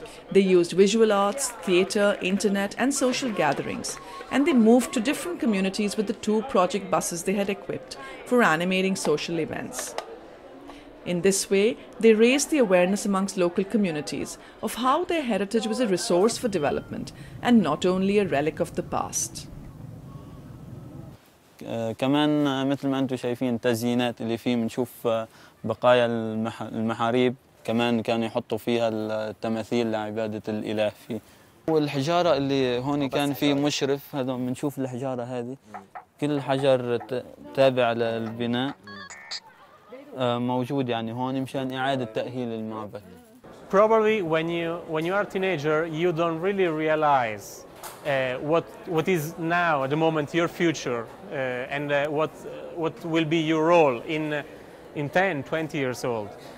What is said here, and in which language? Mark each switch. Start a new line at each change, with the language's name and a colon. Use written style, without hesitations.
English: They used visual arts, theatre, internet, and social gatherings, and they moved to different communities with the two project buses they had equipped for animating social events. In this way, they raised the awareness amongst local communities of how their heritage was a resource for development and not only a relic of the past.
Arabic: كمان مثل ما انتم شايفين التزيينات اللي فيه بنشوف بقايا المحاريب كمان كانوا يحطوا فيها التماثيل لعبادة الإله فيه والحجارة اللي هون كان في مشرف هذا بنشوف الحجارة هذه كل حجر تابع للبناء موجود يعني هون مشان إعادة تأهيل المعبد.
English: Probably when you are a teenager you don't really realize what is now at the moment your future and what will be your role in 10, 20 years old.